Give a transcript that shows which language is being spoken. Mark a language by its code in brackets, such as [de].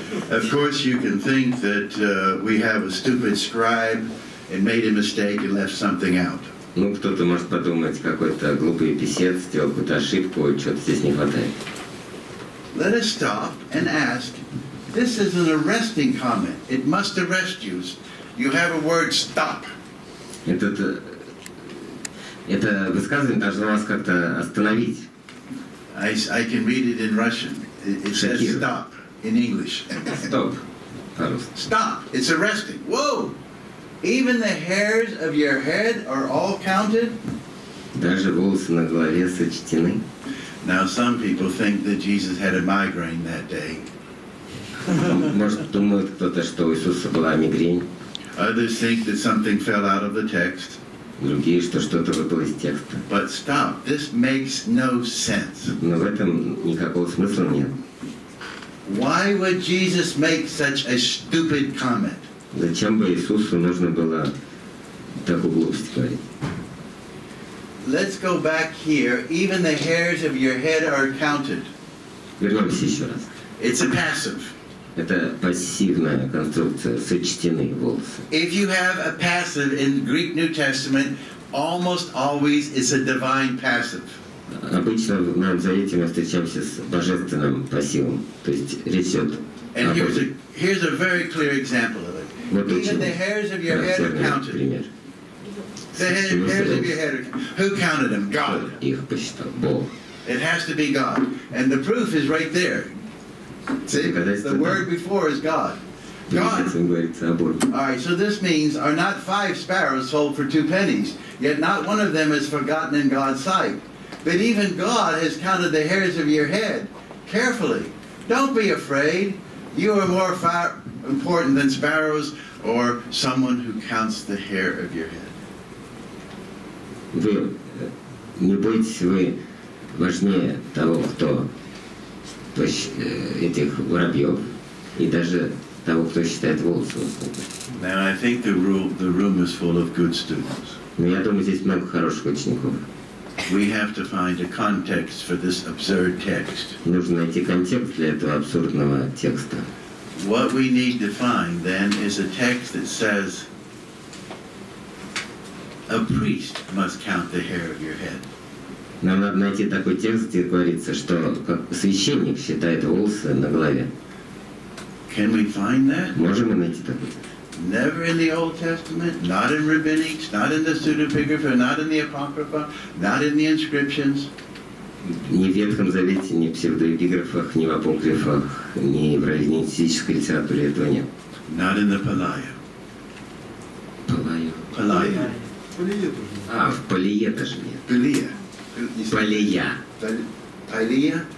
[en] Of course, you can think that we have a stupid scribe and made a mistake and left something out. [ru] Ну, кто-то может подумать, какой-то глупый писец сделал какую-то ошибку, чего-то здесь не хватает. [en] Let us stop and ask. This is an arresting comment. It must arrest you. You have a word stop. [ru] Это высказывание должно вас как-то остановить. [en] I can read it in Russian. It says stop in English. Stop. Stop. It's arresting. Whoa! Even the hairs of your head are all counted. [ru] Даже волосы на голове сочтены. [en] Now some people think that Jesus had a migraine that day. [ru] Может, думает кто-то, что у Иисуса была мигрень. [en] Others think that something fell out of the text. [ru] Другие, что что-то выпало из текста. [en] But stop. This makes no sense. [ru] Но в этом никакого смысла нет. [en] Why would Jesus make such a stupid comment? [ru] Зачем бы Иисусу нужно было такую глупость говорить? [en] Let's go back here. Even the hairs of your head are counted. [ru] Вернемся еще раз. [en] It's a passive. [ru] Это пассивная конструкция. Сочтены волосы. [en] If you have a passive in the Greek New Testament, almost always it's a divine passive. [ru] Обычно в Новом Завете мы встречаемся с божественным пассивом. То есть речь идет о Боге. [en] And here's a very clear example of it. [ru] Вот [en] even the hairs of your head are counted. [ru] Пример. [en] The hairs of your head. Who counted them? God. [ru] Их посчитал Бог. [en] It has to be God, and the proof is right there. See, the word before is God. God. All right. So this means, are not five sparrows sold for two pennies? Yet not one of them is forgotten in God's sight. But even God has counted the hairs of your head carefully. Don't be afraid. You are more important than sparrows or someone who counts the hair of your head. [ru] Вы не бойтесь, вы важнее того, кто этих воробьев, и даже того, кто считает волосы. [en] Now I think the room is full of good students. [ru] Но я думаю, здесь много хороших учеников. [en] We have to find a context for this absurd text. [ru] Нужно найти контекст для этого абсурдного текста. [en] What we need to find then is a text that says a priest must count the hair of your head. [ru] Нам надо найти такой текст, где говорится, что священник считает волосы на голове. [en] Can we find that? [ru] Можем мы найти такой? [en] Never in the Old Testament, not in rabbinics, not in the pseudepigrapha, not in the apocrypha, not in the inscriptions. [ru] Ни в Ветхом Завете, ни в псевдоэпиграфах, ни в апокрифах, ни в раввинистической литературе этого нет. [en] Not in the Палайо. [ru] Палайо. Палайо. В Палие тоже нет. Палия. Палия?